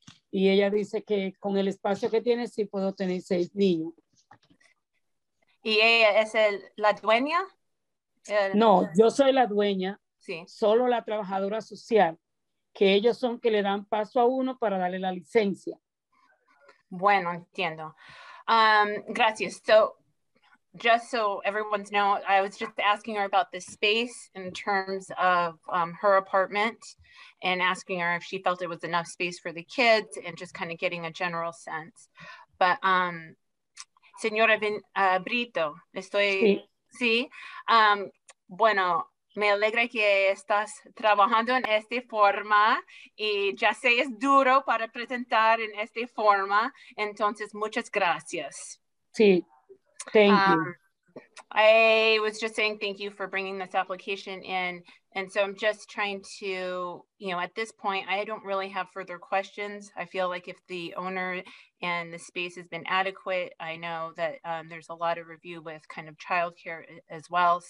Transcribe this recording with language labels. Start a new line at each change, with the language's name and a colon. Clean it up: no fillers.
Spanish: Y ella dice que con el espacio que tiene sí puedo tener seis niños. ¿Y ella es la dueña? No, yo soy la dueña, sí. Solo la trabajadora social, que ellos son que le dan paso a uno para darle la licencia. Bueno, entiendo. Gracias.
English: So, just so everyone's know, I was just asking her about the space in terms of her apartment and asking her if she felt it was enough space for the kids and just kind of getting a general sense. But
Spanish: señora Brito, estoy... Sí. Bueno, me alegra que estás trabajando en esta forma y ya sé, es duro para presentar en esta forma, entonces muchas gracias.
English: Sí, thank you. I was just saying thank you for bringing this application in. And so I'm just trying to, you know, at this point, I don't really have further questions. I feel like if the owner and the space has been adequate, I know that there's a lot of review with kind of childcare as well.